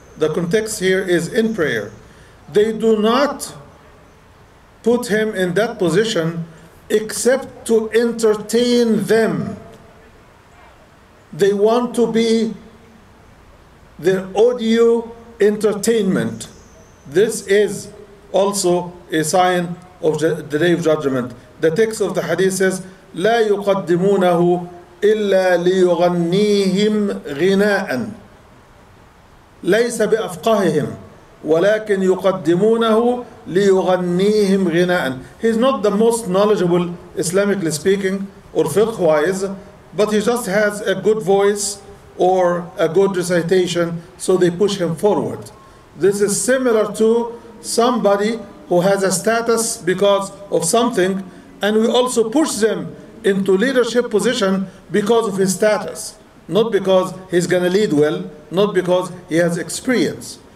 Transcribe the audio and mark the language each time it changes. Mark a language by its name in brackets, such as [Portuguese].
[English] The context here is in prayer. They do not put him in that position except to entertain them. They want to be their audio entertainment. This is also a sign of the Day of Judgment. The text of the hadith says, [Arabic] لا يقدمونه إلا ليغنيهم غناء ليس بأفقههم ولكن يقدمونه ليغنيهم غناء. [English] He's not the most knowledgeable, Islamically speaking, or fiqh-wise, but he just has a good voice or a good recitation, so they push him forward. This is similar to somebody who has a status because of something, and we also push them into leadership position because of his status, not because he's going to lead well, not because he has experience.